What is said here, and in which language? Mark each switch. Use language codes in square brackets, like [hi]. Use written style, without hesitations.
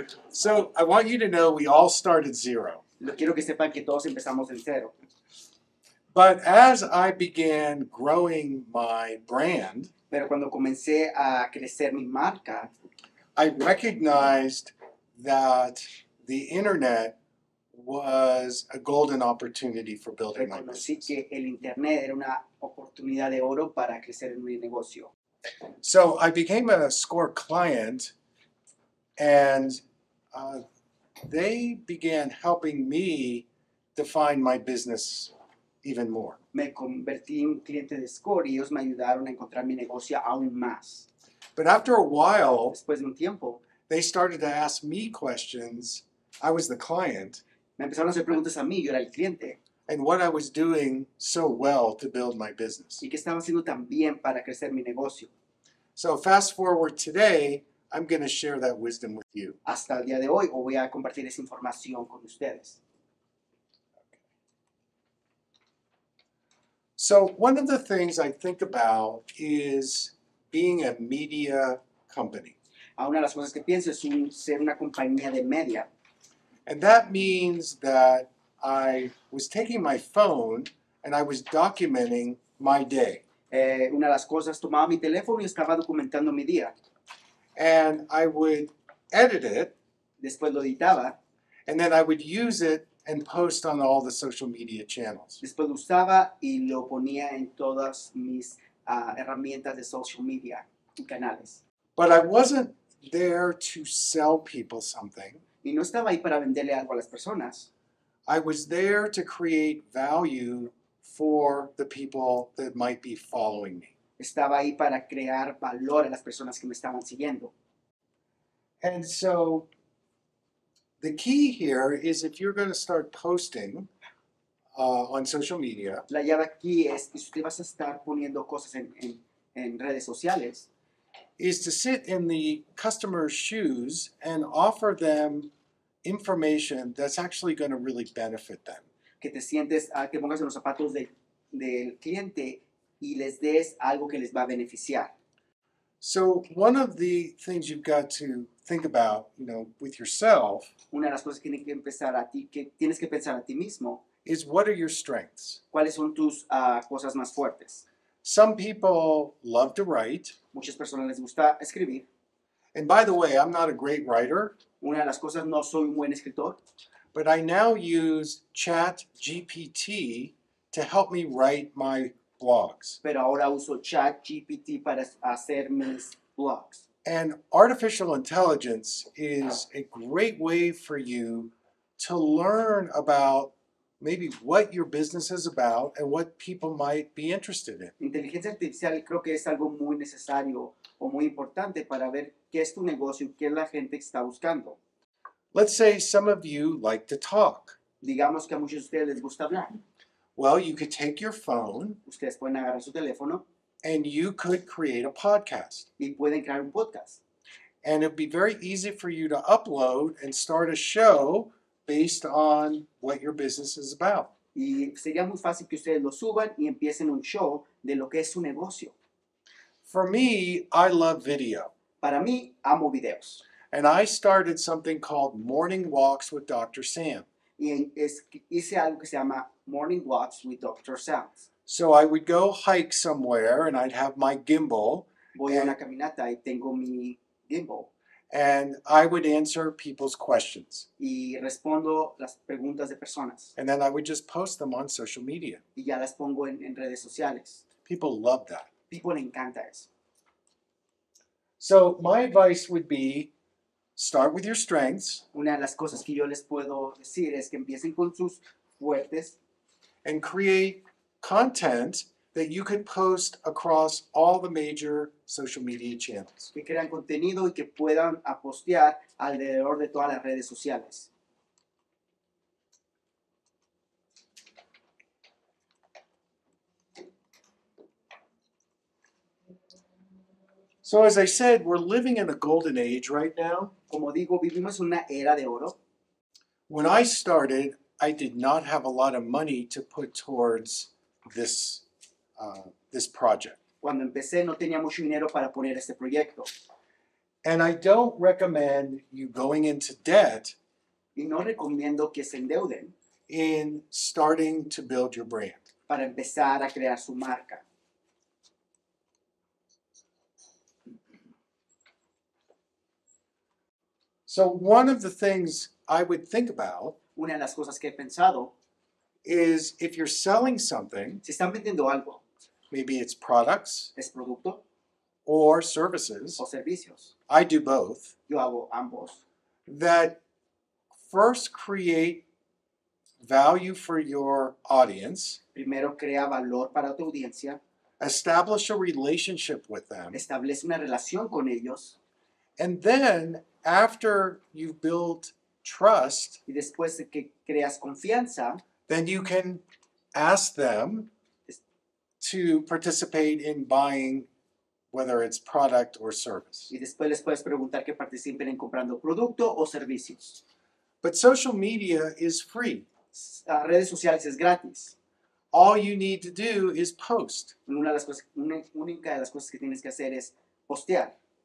[en] So I want you to know we all started 0. But as I began growing my brand, I recognized that the internet was a golden opportunity for building my business. [es] Reconocí que el internet era una oportunidad de oro para crecer en mi negocio. [en] So I became a Score client, and they began helping me define my business even more. [es] Me convertí en cliente de Score y ellos me ayudaron a encontrar mi negocio aún más. [en] But after a while, [es] después de un tiempo, [en] they started to ask me questions. I was the client. [es] Me empezaron a hacer preguntas a mí, yo era el cliente. [en] And what I was doing so well to build my business. [es] Y que estaba haciendo tan bien para crecer mi negocio. [en] So fast forward today, I'm going to share that wisdom with you. [es] Hasta el día de hoy, voy a compartir esa información con ustedes. [en] So one of the things I think about is being a media company. [es] Una de las cosas que pienso es ser una compañía de media. [en] And that means that I was taking my phone and I was documenting my day. [es] Una de las cosas, tomaba mi teléfono y estaba documentando mi día. [en] And I would edit it. [es] Después lo editaba. [en] And then I would use it and post on all the social media channels. [es] Después lo usaba y lo ponía en todas mis herramientas de [en] social media [es] y canales. [en] But I wasn't there to sell people something. [es] Y no estaba ahí para venderle algo a las personas. [en] I was there to create value for the people that might be following me. [es] Estaba ahí para crear valor a las personas que me estaban siguiendo. [en] And so the key here is if you're going to start posting on social media. [es] La llave aquí es que usted vas a estar poniendo cosas en redes sociales. [en] Is to sit in the customer's shoes and offer them information that's actually going to really benefit them. [es] Que te sientes, que pongas en los zapatos del cliente y les des algo que les va a beneficiar. [en] So one of the things you've got to think about, you know, with yourself. [es] Una de las cosas que tienes que empezar a ti, que tienes que pensar a ti mismo. [en] Is what are your strengths? [es] ¿Cuáles son tus cosas más fuertes? [en] Some people love to write. [es] Muchas personas les gusta escribir. [en] And by the way, I'm not a great writer. [es] Una de las cosas, no soy un buen escritor. [en] But I now use ChatGPT to help me write my blogs. [es] Pero ahora uso ChatGPT para hacer mis blogs. [en] And artificial intelligence is a great way for you to learn about maybe what your business is about and what people might be interested in. [es] Inteligencia artificial creo que es algo muy necesario o muy importante para ver qué es tu negocio y qué la gente está buscando. [en] Let's say some of you like to talk. [es] Digamos que a muchos de ustedes les gusta hablar. [en] Well, you could take your phone. [es] Ustedes pueden agarrar su teléfono. [en] And you could create a podcast. [es] Y pueden crear un podcast. [en] And it'd be very easy for you to upload and start a show based on what your business is about. [es] Y sería muy fácil que ustedes lo suban y empiecen un show de lo que es su negocio. [en] For me, I love video. [es] Para mí, amo videos. [en] And I started something called Morning Walks with Dr. Sam. [es] Y hice algo que se llama Morning Walks with Dr. Sam. [en] So I would go hike somewhere and I'd have my gimbal. [es] Voy a una caminata y tengo mi gimbal. [en] And I would answer people's questions. [es] Y respondo las preguntas de personas. [en] And then I would just post them on social media. [es] Y ya las pongo en redes sociales. [en] People love that. [es] People le encanta eso. [en] So my advice would be, start with your strengths. [es] Una de las cosas que yo les puedo decir es que empiecen con sus fuertes. [en] And create content that you could post across all the major social media channels. [es] Que crean contenido y que puedan postear alrededor de todas las redes sociales. [en] So as I said, we're living in a golden age right now. [es] Como digo, vivimos una era de oro. [en] When I started, I did not have a lot of money to put towards this project. [es] Cuando empecé no tenía mucho dinero para poner este proyecto. [en] And I don't recommend you going into debt. [es] Y no recomiendo que se endeuden. [en] In starting to build your brand. [es] Para empezar a crear su marca. [en] So one of the things I would think about. [es] Una de las cosas que he pensado. [en] Is if you're selling something, [es] si están vendiendo algo, [en] maybe it's products, [es] es producto, [en] or services, [es] o servicios, [en] I do both, [es] yo hago ambos, [en] that first create value for your audience, [es] primero crea valor para tu audiencia, [en] establish a relationship with them, [es] establece una relación con ellos, [en] and then after you've built trust, [es] y después de que creas confianza, [en] then you can ask them to participate in buying, whether it's product or service. [es] Y después les puedes preguntar que participen en comprando producto o servicios. [en] But social media is free. [es] Redes sociales es gratis. [en] All you need to do is post. [es] Una de las cosas que tienes que hacer es postear.